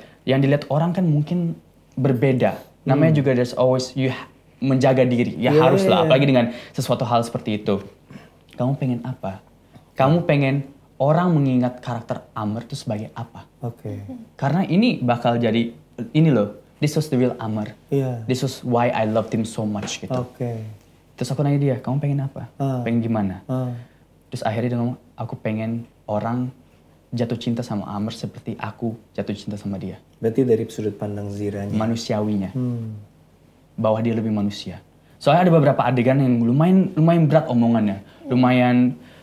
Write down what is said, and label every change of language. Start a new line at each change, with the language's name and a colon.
Indonesian: Yang dilihat orang kan mungkin berbeda. Namanya juga
English: there's always you
Indonesian: menjaga diri. Ya haruslah, apalagi dengan sesuatu hal seperti itu. Kamu pengen apa? Kamu pengen orang mengingat karakter Amer itu sebagai apa? Karena ini bakal jadi ini loh.
English: This was the real Amer. This was why I loved him so much gitu.
Indonesian: Terus aku nanya dia, kamu pengen apa? Pengen gimana? Terus akhirnya dia ngomong, aku pengen orang jatuh cinta sama Amer seperti aku jatuh cinta sama dia. Berarti dari sudut pandang Ziranya. Manusiawinya. Bahwa dia lebih manusia. Soalnya ada beberapa adegan yang lumayan berat omongannya. Lumayan